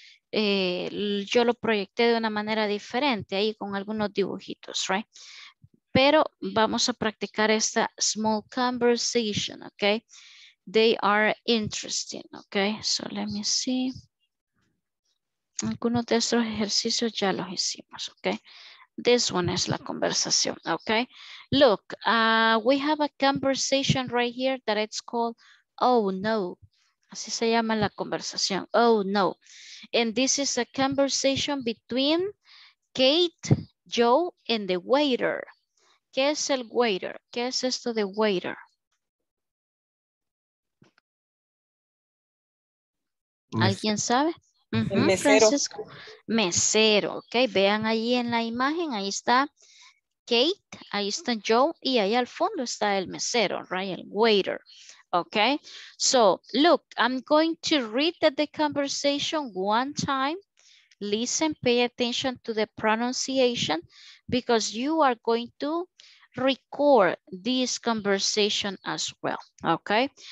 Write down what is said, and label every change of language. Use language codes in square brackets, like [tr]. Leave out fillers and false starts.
[es] Yo lo proyecté de una manera diferente ahí con algunos dibujitos, ¿right? Pero vamos a practicar esta [en] small conversation, [es] ¿ok? [en] They are interesting, ¿ok? So, let me see. [es] Algunos de estos ejercicios ya los hicimos, ¿ok? [en] This one is [es] la conversación, [en] okay? Look, we have a conversation right here that it's called, oh no. [es] Así se llama la conversación, [en] oh no. And this is a conversation between Kate, Joe, and the waiter. [es] ¿Qué es el waiter? ¿Qué es esto de waiter? ¿Alguien sabe? Mesero. Francisco. Mesero, ok. Vean ahí en la imagen, ahí está Kate, ahí está Joe y ahí al fondo está el mesero, right? El waiter, ok. [en] So, look, I'm going to read the conversation one time. Listen, pay attention to the pronunciation because you are going to record this conversation as well, ok.